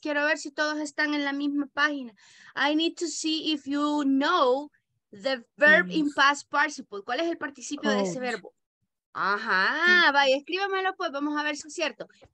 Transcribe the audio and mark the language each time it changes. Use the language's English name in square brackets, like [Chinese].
[Spanish] Quiero ver si todos están en la misma página. [English] I need to see if you know the verb in past participle. [Spanish] ¿Cuál es el participio de ese verbo? Ajá, vaya, escríbemelo pues, vamos a ver si es cierto.